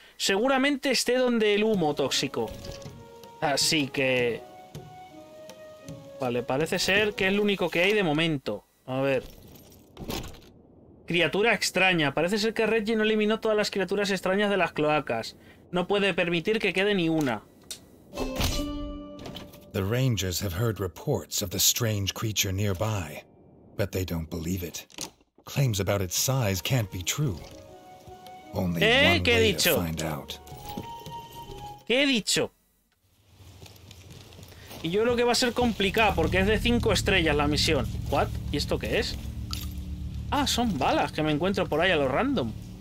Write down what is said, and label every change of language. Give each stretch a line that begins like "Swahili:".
Spanish: Seguramente esté donde el humo tóxico. Así que... Vale, parece ser que es lo único que hay de momento. A ver. Criatura extraña. Parece ser que Reggie no eliminó todas las criaturas extrañas de las cloacas. No puede permitir que quede ni una.
English: The rangers have heard reports of the strange creature nearby, but they don't believe it. Claims about its size can't be true.
Spanish: ¿Qué he dicho? ¿Qué he dicho? Y yo creo que va a ser complicada porque es de 5 estrellas la misión. ¿What? ¿Y esto qué es? Ah, son balas que me encuentro por ahí a lo random.